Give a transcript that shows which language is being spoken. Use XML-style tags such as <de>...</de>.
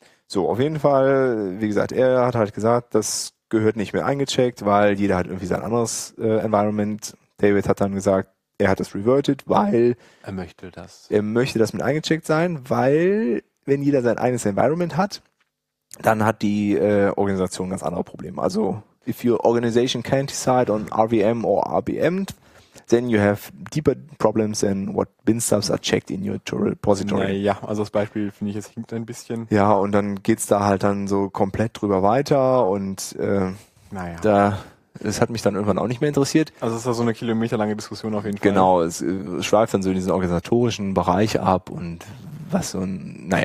<de>So, auf jeden Fall, wie gesagt, er hat halt gesagt, das gehört nicht mehr eingecheckt, weil jeder hat irgendwie sein anderes Environment. David hat dann gesagt, er hat das reverted, weil Er möchte das mit eingecheckt sein, weil wenn jeder sein eigenes Environment hat, dann hat die Organisation ganz andere Probleme.</de> <en>Also, if your organization can't decide on RVM or RBM, then you have deeper problems than what binstubs are checked in your repository.</en> <de>Naja, also das Beispiel finde ich jetzt hinkt ein bisschen. Ja, und dann geht's da halt dann so komplett drüber weiter und das hat mich dann irgendwann auch nicht mehr interessiert. Also es ist da so eine kilometerlange Diskussion auf jeden Fall. Genau, es schweift dann so in diesen organisatorischen Bereich ab und was so ein,</de>